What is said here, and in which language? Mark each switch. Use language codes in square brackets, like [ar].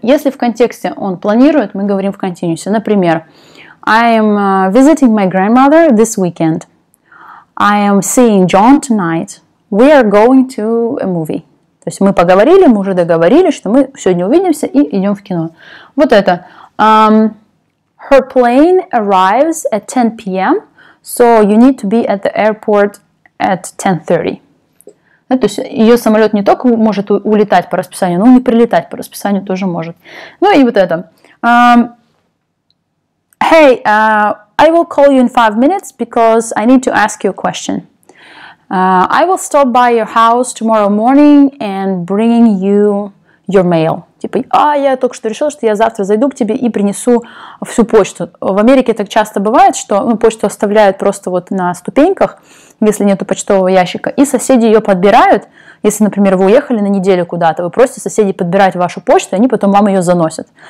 [ru] Если в контексте он планирует, мы говорим в континьюсе. [en] Например, I am visiting my grandmother this weekend. I am seeing John tonight. We are going to a movie. [ru] То есть мы поговорили, мы уже договорились, что мы сегодня увидимся и идем в кино. Вот это. [en] Her plane arrives at 10 p.m., so you need to be at the airport at 10:30. [ru] Да, то есть ее самолет не только может улетать по расписанию, но и прилетать по расписанию тоже может. Ну и вот это. [en] Hey, I will call you in 5 minutes, because I need to ask you a question. I will stop by your house tomorrow morning and bringing you your mail. [ru] Типа, я только что решила, что я завтра зайду к тебе и принесу всю почту. В Америке так часто бывает, что почту оставляют просто вот на ступеньках, если нету почтового ящика, и соседи ее подбирают. Если, например, вы уехали на неделю куда-то, вы просите соседей подбирать вашу почту, и они потом вам ее заносят.